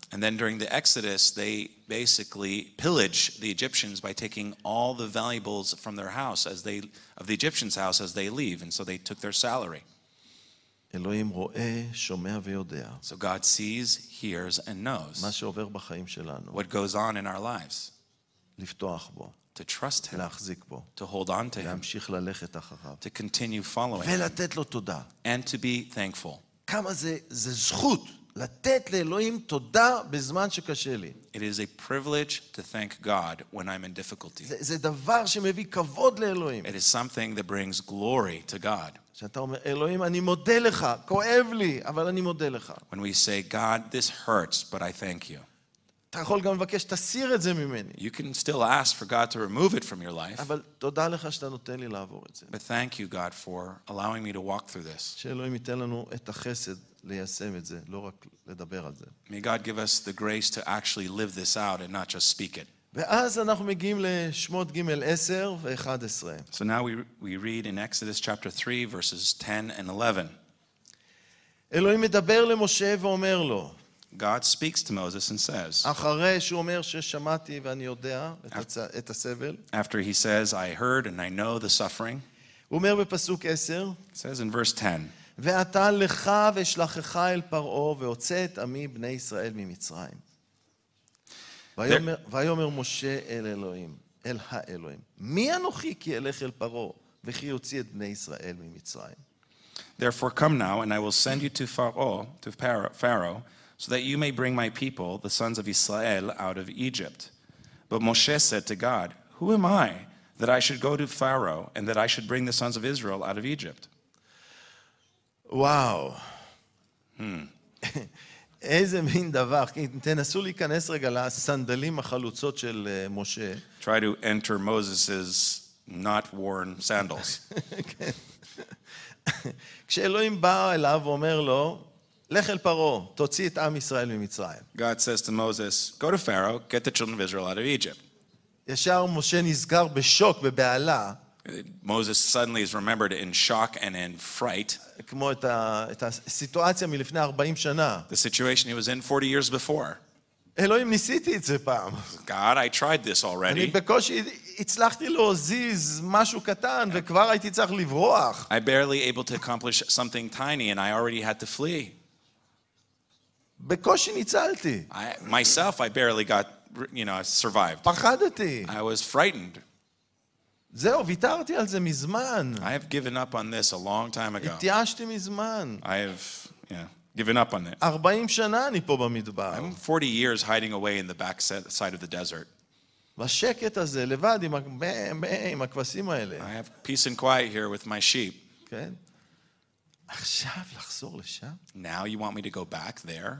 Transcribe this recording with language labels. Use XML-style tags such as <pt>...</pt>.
<en>And then during the Exodus they basically pillage the Egyptians by taking all the valuables from their house as they of the Egyptians house as they leave and so they took their salary</en> <he>אלוהים רואה שומע ויודע</he> <en>So God sees hears and knows</en> <he>מה שעובר בחיים שלנו</he> <en>What goes on in our lives</en> <he>לפתוח בו</he> <en>to trust him</en> <he>להחזיק בו</he> <en>to hold on to him</en> <he>להמשיך ללכת אחריו</he> <en>to continue following</en> <he>ולתת לו תודה</he> <en>and to be thankful</en> <he>כמה זה זכות לתת לאלוהים תודה בזמן שקשה לי</he> <en>it is a privilege to thank God when I'm in difficulty</en> <he>זה דבר שמביא כבוד לאלוהים</he> <en>it is something that brings glory to God</en> <he>שאתה אומר אלוהים אני מודה לך כואב לי אבל אני מודה לך</he> <en>when we say God this hurts but I thank you</en> <he>אתה יכול גם לבקש תסיר את זה ממני.</he> <en>You can still ask for God to remove it from your life.</en> <he>אבל תודה לך שאתה נותן לי לעבור את זה.</he> <en>But thank you God for allowing me to walk through this.</en> <he>שאלוהים ייתן לנו את החסד ליישם את זה, לא רק לדבר על זה.</he> <en>May God give us the grace to actually live this out and not just speak it.</en> <he>ואז אנחנו מגיעים לשמות ג' 10 ו-11.</he> <en>So now we read in Exodus chapter 3 verses 10 and 11.</en> <he>אלוהים מדבר למשה ואומר לו</he> <en>God speaks to Moses and says,</en> <he>אחרי שהוא אומר ששמעתי ואני יודע את הסבל,</he> <en>after he says, I heard and I know the suffering,</en> <he>הוא אומר בפסוק 10,</he> <en>says in verse 10,</en> <he>ואתה לך ושלחך אל פרעה והוצא את עמי בני ישראל ממצרים. ויאמר משה אל אלוהים, אל האלוהים, מי אנוכי כי אלך אל פרעה וכי יוציא את בני ישראל ממצרים?</he> <en>Therefore come now and I will send you to Pharaoh, so that you may bring my people, the sons of Israel, out of Egypt. But Moshe said to God, Who am I that I should go to Pharaoh and that I should bring the sons of Israel out of Egypt? Wow.</en> <he>איזה מין דבר. תנסו להיכנס רגע לסנדלים החלוצות של משה.</he> <en>Try to enter Moses' not worn sandals.</en> <he>כשאלוהים בא אליו ואומר לו, לך אל פרעה, תוציא את עם ישראל ממצרים.</he> <en>God says to Moses, go to Pharaoh, get the children of Israel out of Egypt.</en> <he>ישר משה נסגר בשוק, בבעלה.</he> <en>Moses suddenly is remembered in shock and in fright.</en> <he>כמו את הסיטואציה מלפני 40 שנה.</he> <en>The situation he was in 40 years before.</en> <he>אלוהים, ניסיתי את זה פעם.</he> <en>God, I tried this already.</en> <he>אני בקושי הצלחתי להזיז משהו קטן וכבר הייתי צריך לברוח.</he> <en>I barely able to accomplish something tiny and I already had to flee.</en> <he>בקושי ניצלתי.</he> <en>I barely got, you know, survived.</en> <he>פחדתי.</he> <en>I was frightened.</en> <he>זהו, ויתרתי על זה מזמן.</he> <en>I have given up on this a long time ago.</en> <he>התייאשתי מזמן.</he> <en>I have, given up on it.</en> <he>40 שנה אני פה במדבר.</he> <en>I'm 40 years hiding away in the back side of the desert.</en> <he>בשקט הזה, לבד עם הכבשים האלה.</he> <en>I have peace and quiet here with my sheep.</en> <he>כן. עכשיו לחזור לשם?</he> <en>Now you want me to go back there?</en>